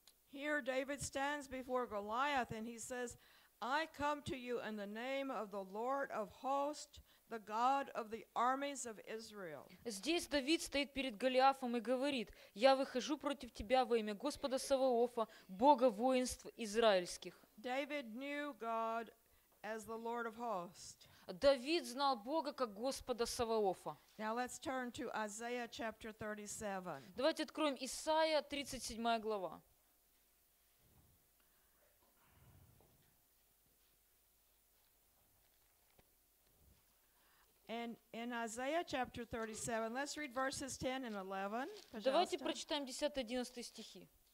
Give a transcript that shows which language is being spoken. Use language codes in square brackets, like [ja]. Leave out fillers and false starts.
[en] Here David stands before Goliath and he says, "I come to you in the name of the Lord of hosts, the God of the armies of Israel." [ru] Здесь Давид стоит перед Голиафом и говорит: "Я выхожу против тебя во имя Господа Саваофа, Бога воинств израильских." [en] David knew God as the Lord of hosts. [ru] Давид знал Бога как Господа Саваофа. [en] Now let's turn to Isaiah chapter 37. [ru] Давайте откроем Исаия 37 глава. [en] And in Isaiah chapter 37, let's read verses 10 and 11. [ru] Пожалуйста. Давайте прочитаем 10-11 стихи.